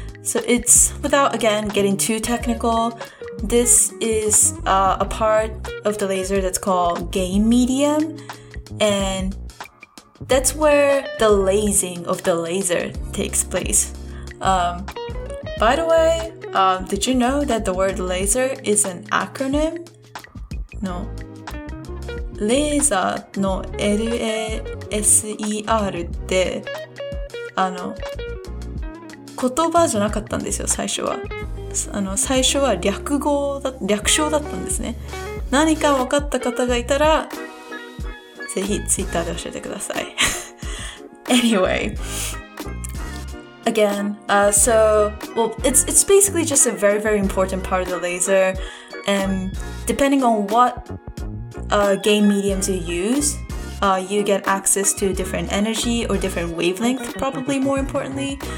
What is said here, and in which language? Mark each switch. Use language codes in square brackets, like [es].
[en] So it's, without again getting too technical, this is a part of the laser that's called gain medium, and that's where the lasing of the laser takes place. By the way, did you know that the word laser is an acronym? No. [ja] Laser の LASER って言葉じゃなかったんですよ、最初は。最初は略称だったんですね。何か分かった方がいたら、ぜひ Twitter で教えてください。 [en] Anyway, again, it's basically just a very, very important part of the laser, and depending on what gain mediums you use, you get access to different energy or different wavelength, probably more importantly.